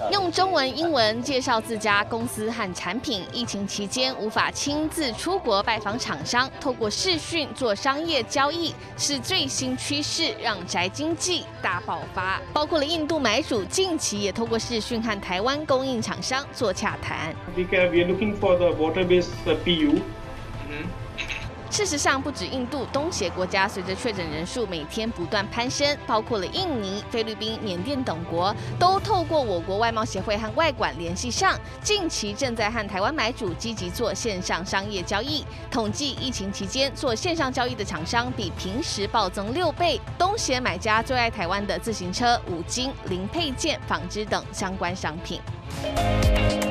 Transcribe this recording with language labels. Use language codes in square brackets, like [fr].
[zh] 用中文、英文介绍自家公司和产品。疫情期间无法亲自出国拜访厂商，透过视讯做商业交易是最新趋势，让宅经济大爆发。包括了印度买主近期也透过视讯和台湾供应厂商做洽谈。 [en] We are looking for the water-based PU。 [zh] 事实上不止印度，东协国家随着确诊人数每天不断攀升，包括了印尼、菲律宾、缅甸等国都透过我国外贸协会和外馆联系上，近期正在和台湾买主积极做线上商业交易。统计疫情期间做线上交易的厂商比平时暴增6倍，东协买家最爱台湾的自行车、五金、零配件、纺织等相关商品。